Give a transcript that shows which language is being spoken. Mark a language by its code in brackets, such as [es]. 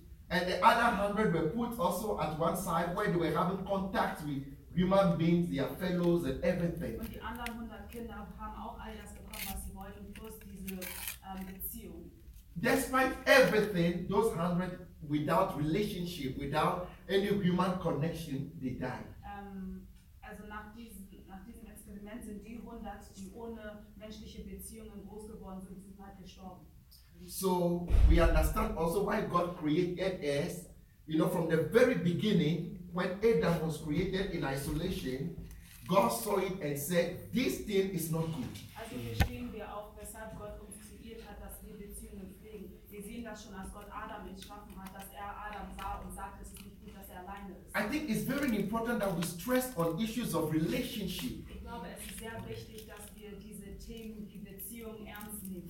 [en] And the other 100 were put also at one side where they were having contact with human beings, their fellows, and everything. [de] Und die anderen 100 Kinder haben auch all das bekommen, was sie wollten, plus diese Beziehung. [en] Despite everything, those 100 without relationship, without any human connection, they die. [de] Also nach diesem Experiment sind die 100, die ohne menschliche Beziehungen groß geworden sind, sind halt gestorben. [en] So we understand also why God created us. You know, from the very beginning, when Adam was created in isolation, God saw it and said, "This thing is not good." [de] Also, verstehen wir auch, weshalb Gott uns kreiert hat, dass wir Beziehungen pflegen. Wir sehen das schon, als Gott Adam entschaffen hat, dass er Adam sah und sagte, es ist nicht gut, dass er alleine ist. [en] I think it's very important that we stress on issues of relationship. [de] Ich glaube, es ist sehr wichtig, dass wir diese Themen, die Beziehung, ernst nehmen.